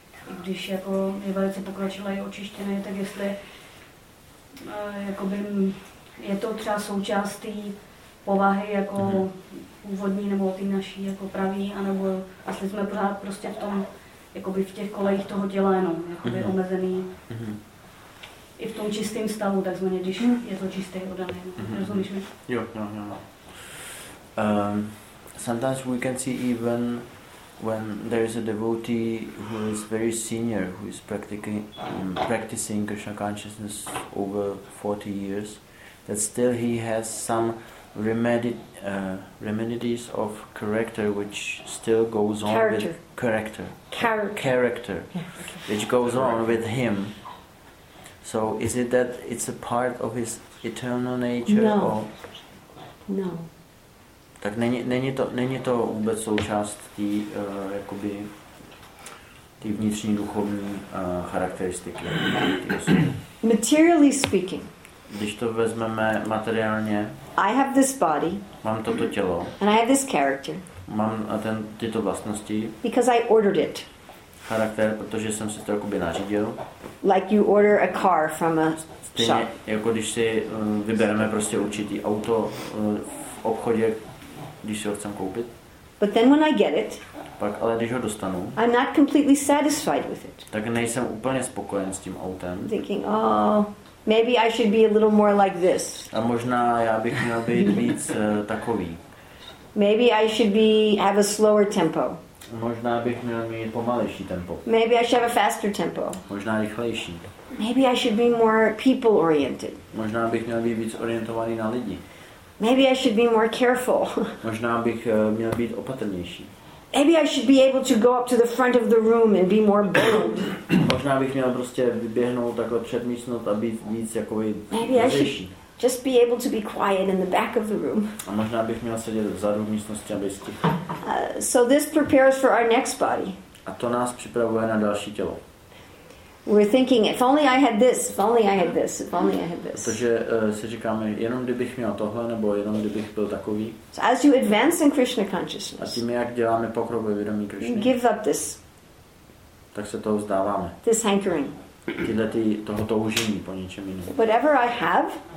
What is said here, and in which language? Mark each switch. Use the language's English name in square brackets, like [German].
[Czech] I když jako je velice pokročilé i očištěné, tak jestli jakoby, je to třeba součást té povahy jako původní nebo té naší jako pravý, anebo jestli jsme pořád prostě v tom, jakoby v těch kolejích toho těla jenom jakoby omezený. I v tom čistém stavu, takzvaně, když je to čistý oddaný. Rozumíš mi? Jo. [English] Sometimes we can see even when there is a devotee who is very senior, who is practicing Krishna consciousness over 40 years, that still he has some remedies of character which still goes on character. With character. Character. Yeah, okay. Which goes on with him. So is it that it's a part of his eternal nature? No. Or? No. [Czech] Tak není to vůbec součást tý jakoby tý vnitřní duchovní charakteristiky. [English] Materially speaking. [Czech] Když to vezmeme materiálně. [English] I have this body. [Czech] Mám toto tělo. [English] And I have this character. [Czech] Mám tyto vlastnosti. [English] Because I ordered it. [Czech] Charakter, protože jsem si to jakoby nařídil. [English] Like you order a car from a shop. [Czech] Jako když si vybereme prostě určitý auto v obchodě. Když si ho chcem koupit. [English] But then when I get it, [Czech] pak ale když ho dostanu, [English] I'm not completely satisfied with it. [Czech] Tak nejsem úplně spokojen s tím autem. [English] Thinking, oh, maybe I should be a little more like this. [Czech] A možná já bych měl být víc takový. [English] Maybe I should have a slower tempo. [Czech] Možná bych měl mít pomalejší tempo. [English] Maybe I should have a faster tempo. [Czech] Možná rychlejší. [English] Maybe I should be more people oriented. [Czech] Možná bych měl být víc orientovaný na lidi. [English] Maybe I should be more careful. [Czech] Možná bych měl být opatrnější. [English] Maybe I should be able to go up to the front of the room and be more bold. [Czech] Možná bych měl prostě vyběhnout takhle před místnost a být víc jakoby rychlejší. [English] Just be able to be quiet in the back of the room. [Czech] A možná bych měl sedět vzadu v místnosti a být stich. [English] So this prepares for our next body. [Czech] A to nás připravuje na další tělo. [English] We're thinking, if only I had this, if only I had this, if only I had this. [Czech] Protože si říkáme, jenom kdybych měl tohle, nebo jenom kdybych byl takový. [English] So as you advance in Krishna consciousness. [Czech] A tím, jak děláme pokrok ve vědomí Krishna. [English] Give up this. [Czech] Tak se toho vzdáváme. [English] This hankering. [Czech] Tyhle ty, toho toužení po něčem jiném. [English] Whatever I have.